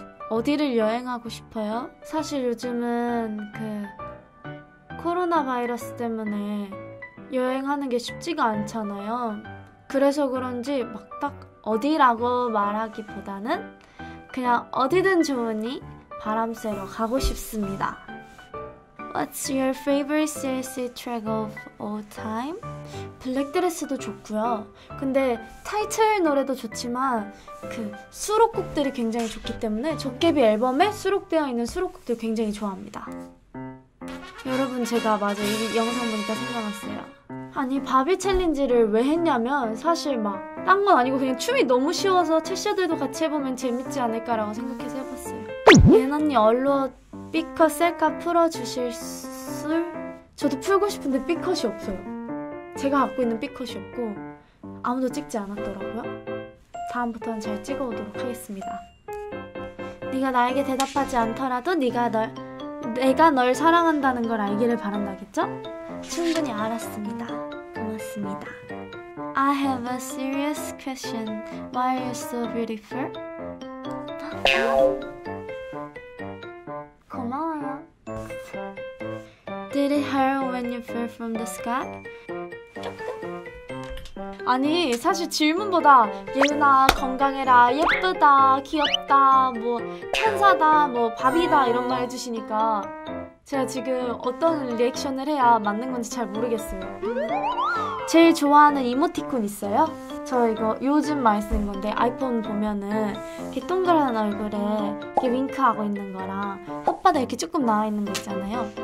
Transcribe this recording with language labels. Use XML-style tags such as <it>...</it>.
<ko>어디를 여행하고 싶어요? 사실 요즘은 그 코로나 바이러스 때문에 여행하는 게 쉽지가 않잖아요. 그래서 그런지 막 딱 어디라고 말하기보다는 그냥 어디든 좋으니 바람 쐬러 가고 싶습니다.</ko> <en>What's your favorite CLC track of all time?</en> <ko>블랙드레스도 좋고요. 근데 타이틀 노래도 좋지만 그 수록곡들이 굉장히 좋기 때문에 도깨비 앨범에 수록되어 있는 수록곡들 굉장히 좋아합니다. 여러분 제가 맞아 이 영상 보니까 생각났어요. 아니 바비 챌린지를 왜 했냐면 사실 막 딴 건 아니고 그냥 춤이 너무 쉬워서 채셔들도 같이 해보면 재밌지 않을까라고 생각해서 해봤어요. 예은 언니 얼로 삐커 셀카 풀어주실 수? 저도 풀고 싶은데 삐컷이 없어요. 제가 갖고 있는 삐컷이 없고 아무도 찍지 않았더라고요. 다음부터는 잘 찍어오도록 하겠습니다. 네가 나에게 대답하지 않더라도 내가 널 사랑한다는 걸 알기를 바란다겠죠? 충분히 알았습니다. 고맙습니다.</ko> <en>I have a serious question. Why are you so beautiful?</en> <ko>고마워요.</ko> <en>Did it hurt when you fell from the sky?</en> <ko>아니 사실 질문보다 예은아 건강해라, 예쁘다, 귀엽다, 뭐 천사다, 뭐 바비다 이런 말 해주시니까 제가 지금 어떤 리액션을 해야 맞는 건지 잘 모르겠어요. 제일 좋아하는 이모티콘 있어요? 저 이거 요즘 많이 쓰는 건데 아이폰 보면은 이렇게 동그란 얼굴에 이렇게 윙크하고 있는 거랑 혓바닥 이렇게 조금 나와 있는 거 있잖아요.</ko>